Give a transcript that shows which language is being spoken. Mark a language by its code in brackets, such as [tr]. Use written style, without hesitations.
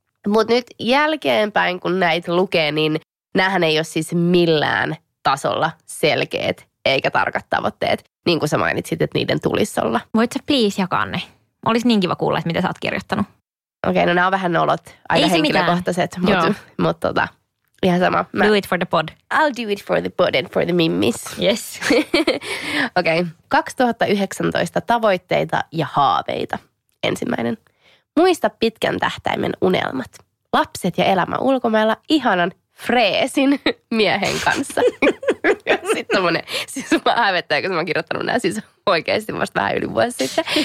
[fi] Mutta nyt jälkeenpäin, kun näitä lukee, niin näähän ei ole siis millään tasolla selkeät eikä tarkat tavoitteet, niin kuin sä mainitsit, että niiden tulisi olla. Voit sä please jakaa ne? Olisi niin kiva kuulla, että mitä sä oot kirjoittanut. Okei, no nämä on vähän nolot, aika henkilökohtaiset, mutta ihan sama. [en] Do it for the pod. I'll do it for the pod and for the mimmis. Yes. [fi] Okei, 2019 tavoitteita ja haaveita. Ensimmäinen. Muista pitkän tähtäimen unelmat. Lapset ja elämä ulkomailla ihanan freesin miehen kanssa. Sitten tommonen, siis mä hävettäen, kun mä oon kirjoittanut nää siis oikeasti vasta vähän yli vuosi sitten.